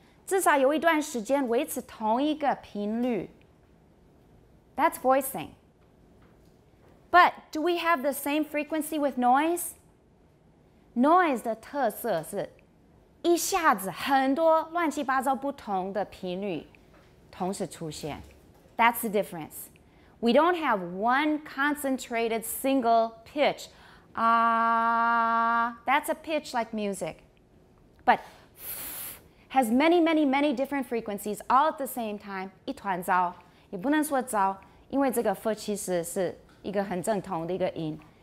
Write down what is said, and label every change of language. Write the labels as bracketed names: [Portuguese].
[Chinese] 至少有一段时间维持同一个频率。 [English] That's voicing. But do we have the same frequency with noise? [Chinese] Noise 的特色是一下子很多乱七八糟不同的频率同时出现。 [English] That's the difference. We don't have one concentrated single pitch. That's a pitch like music. But has many, many, many different frequencies all at the same time. [Chinese] 一团糟，也不能说糟，因为这个 F 其实是一个很正统的一个音。